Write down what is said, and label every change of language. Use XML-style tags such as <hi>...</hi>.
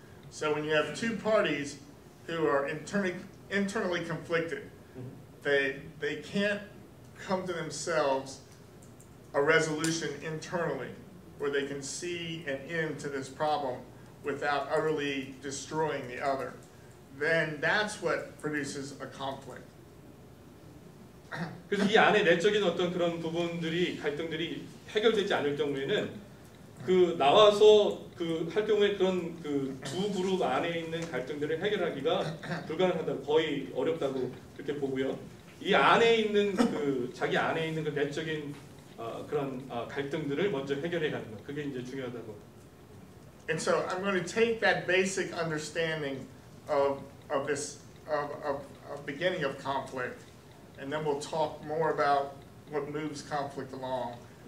<en>So when you have two parties who are internally conflicted, they can't come to themselves a resolution internally where they can see an end to this problem without utterly destroying the other. Then that's what produces a conflict.</en> <ko>그래서 이 안에 내적인 어떤 그런 부분들이 갈등들이 해결되지 않을 경우에는 그 나와서 그 할 경우에 그런 그 두 그룹 안에 있는 갈등들을 해결하기가 불가능하다, 거의 어렵다고 그렇게 보고요. 이 안에 있는 그 자기 안에 있는 그 내적인 그런 갈등들을 먼저 해결해 가는 거, 그게 이제 중요하다고.</ko> <en>And so I'm going to take that basic understanding of this beginning of conflict, and then we'll talk more about what moves conflict along.</en>